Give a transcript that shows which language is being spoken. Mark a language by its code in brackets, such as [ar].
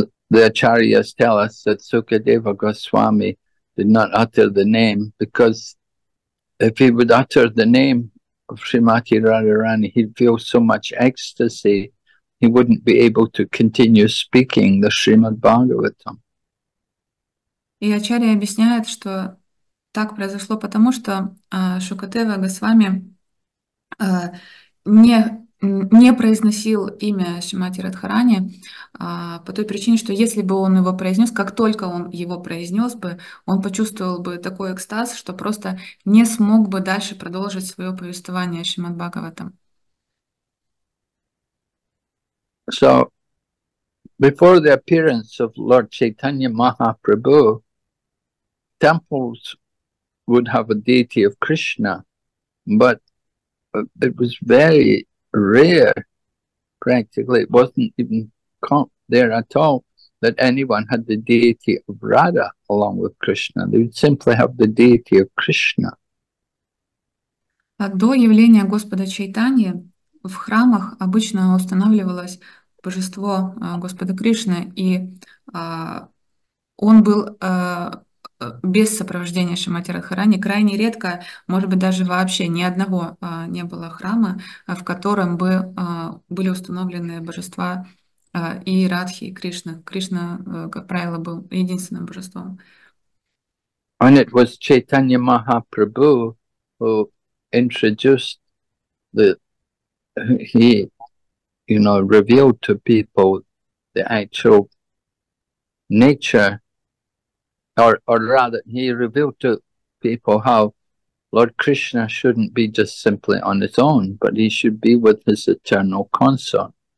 [en] The acharyas tell us that Sukadeva Goswami did not utter the name, because if he would utter the name of Srimati Radharani, he'd feel so much ecstasy, he wouldn't be able to continue speaking the Srimad Bhagavatam. [ru] И ачарья объясняет, что так произошло потому, что Шукадева Госвами не произносил имя Шримати Радхарани по той причине, что если бы он его произнес, как только он его произнес бы, он почувствовал бы такой экстаз, что просто не смог бы дальше продолжить свое повествование о Шримад Бхагаватам. [en] So, before the appearance of Lord Chaitanya Mahaprabhu, temples would have a deity of Krishna, but it was very rare, practically, it wasn't even there at all, that anyone had the deity of Radha along with Krishna. They would simply have the deity of Krishna. [ru] До явления Господа Чайтаньи в храмах обычно устанавливалось божество Господа Кришны, и он был без сопровождения Шримати Радхарани. Крайне редко, может быть, даже вообще ни одного не было храма, в котором бы были установлены божества и Радхи, и Кришна. Кришна, как правило, был единственным божеством. [en] And it was Chaitanya Mahaprabhu who introduced the, he, you know, revealed to people the actual nature, or rather, he revealed to people how Lord Krishna shouldn't be just simply on his own, but he should be with his eternal consort.